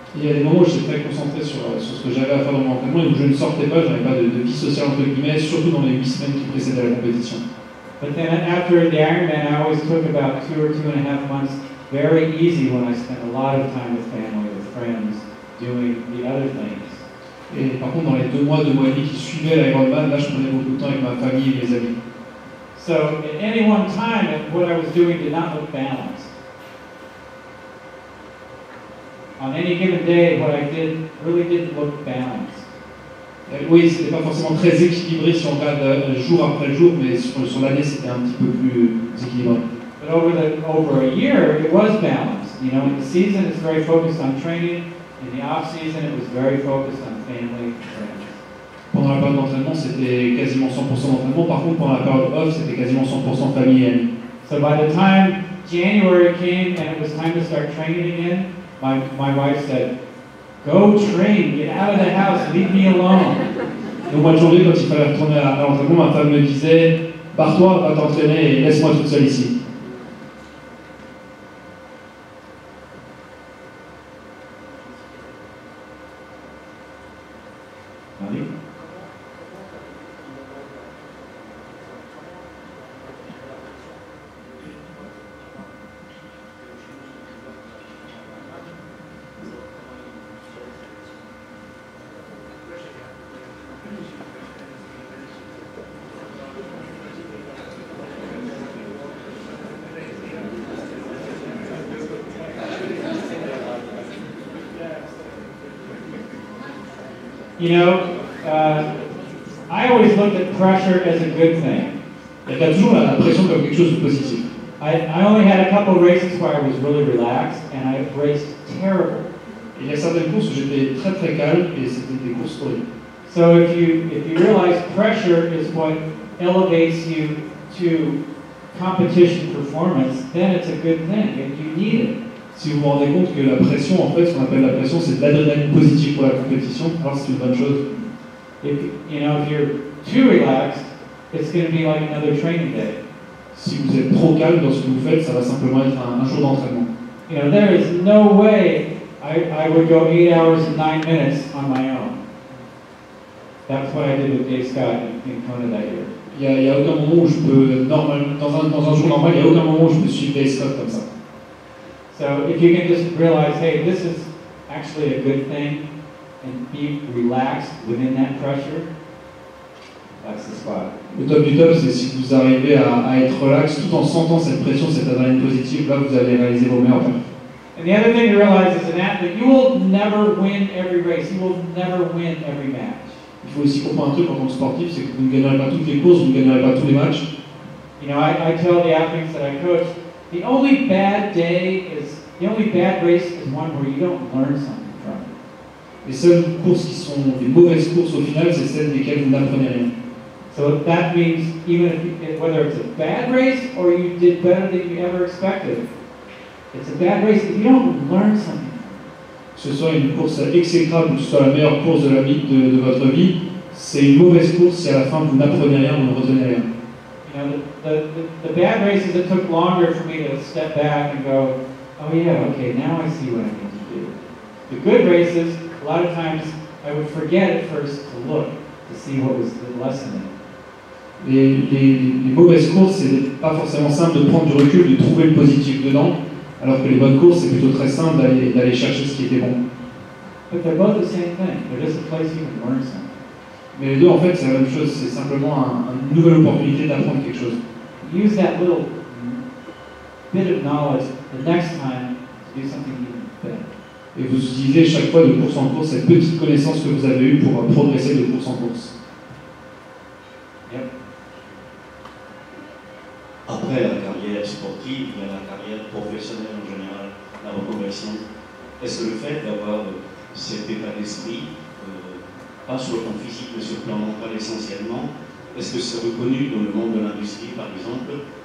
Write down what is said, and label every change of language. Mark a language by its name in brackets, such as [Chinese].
[French] Il y a des moments où j'étais très concentré sur ce que j'avais à faire dans mon entraînement et où je ne sortais pas, je n'avais pas de vie sociale entre guillemets, surtout dans les 8 semaines qui précédaient la compétition. [English] But then after the Ironman, I always took about 2 or 2.5 months very easy when I spent a lot of time with family, with friends, doing the other things. [French] Et par contre, dans les 2 mois et demi qui suivaient l'Ironman, là, je prenais beaucoup de temps avec ma famille et mes amis. [English] So at any one time, what I was doing did not look balanced. On any given day, what I did really didn't look balanced. [French] Oui, c'était pas forcément très équilibré si on regarde jour après jour, mais sur l'année, c'était un petit peu plus équilibré. [English] But over a year, it was balanced. You know, in the season, it's very focused on training. In the off-season, it was very focused on family and friends. [French] Pendant la période d'entraînement, c'était quasiment 100% d'entraînement. Par contre, pendant la période off, c'était quasiment 100% famille et amis. [English] So by the time January came and it was time to start training again, My wife said, "Go train, get out of the house, leave me alone." [French] Donc, au mois de janvier, quand il fallait retourner à l'entraînement, ma femme me disait, "Pars-toi, va t'entraîner et laisse-moi toute seule ici." [English] You know, I always looked at pressure as a good thing. [French] Et t'as toujours la pression comme quelque chose de positif. [English] I only had a couple races where I was really relaxed, and I raced terrible. [French] Il y a certaines courses où j'étais très très calme et c'était des courses horribles. [English] So if you realize pressure is what elevates you to competition performance, then it's a good thing if you need it. [French] Si vous vous rendez compte que la pression, en fait, ce qu'on appelle la pression, c'est de l'adrénaline positive pour la compétition, alors c'est une bonne chose. [English] If, you know, if you're too relaxed, it's going to be like another training day. [French] Si vous êtes trop calme dans ce que vous faites, ça va simplement être un jour d'entraînement. [English] You know, there is no way I would go 8 hours and 9 minutes on my own. That's what I did with Dave Scott in Kona that year. [French] Il y a aucun moment où je peux, dans un jour normal, il y a aucun moment où je peux suivre Dave Scott comme ça. [English] So if you can just realize, hey, this is actually a good thing, and be relaxed within that pressure, that's the spot. [French] Le top du top, c'est si vous arrivez à être relax tout en sentant cette pression, cette adrénaline positive, là vous allez réaliser vos meilleurs points. [English] And the other thing to realize is an athlete, you will never win every race, you will never win every match. [French] Il faut aussi comprendre un truc en tant que sportif, c'est que vous ne gagnerez pas toutes les courses, vous ne gagnerez pas tous les matchs. [English] You know, I tell the athletes that I coach, the only bad day is the only bad race is one where you don't learn something from it. [French] Les seules courses qui sont des mauvaises courses au final, c'est celles desquelles vous n'apprenez rien. [English] So that means even if whether it's a bad race or you did better than you ever expected, it's a bad race if you don't learn something. [French] Ce soit une course exécrable ou ce soit la meilleure course de la vie de votre vie, c'est une mauvaise course si à la fin vous n'apprenez rien, vous ne retenez rien. [English] You know, the bad races, it took longer for me to step back and go, oh yeah, okay, now I see what I need to do. The good races, a lot of times, I would forget at first to look, to see what was the lesson in. [French] Les mauvaises courses, c'est pas forcément simple de prendre du recul, de trouver le positif dedans, alors que les bonnes courses, c'est plutôt très simple d'aller chercher ce qui était bon. [English] But they're both the same thing. They're just a place you can learn something. [French] Mais les deux, en fait, c'est la même chose, c'est simplement une nouvelle opportunité d'apprendre quelque chose. [English] Use that little bit of knowledge the next time to do something even better. [French] Et vous utilisez chaque fois de course en course cette petite connaissance que vous avez eue pour progresser de course en course. [English] Yep. [French] Après la carrière sportive et la carrière professionnelle en général, la reconversion, est-ce que le fait d'avoir cet état d'esprit, pas sur le plan physique mais sur le plan mental essentiellement, est-ce que c'est reconnu dans le monde de l'industrie par exemple?